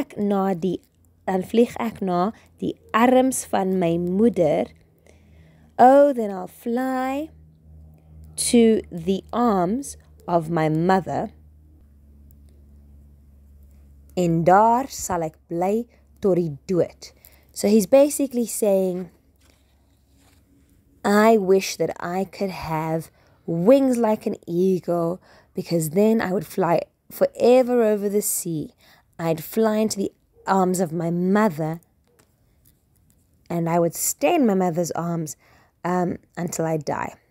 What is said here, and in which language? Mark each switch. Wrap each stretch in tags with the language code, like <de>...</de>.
<af>Dan vlieg ek na die arms van my moeder.</af> <en>Oh, then I'll fly to the arms of my mother.</en> <af>En daar sal ek bly tot die dood.</af> <en>So he's basically saying, I wish that I could have wings like an eagle, because then I would fly forever over the sea. I'd fly into the arms of my mother, and I would stay in my mother's arms until I die.</en>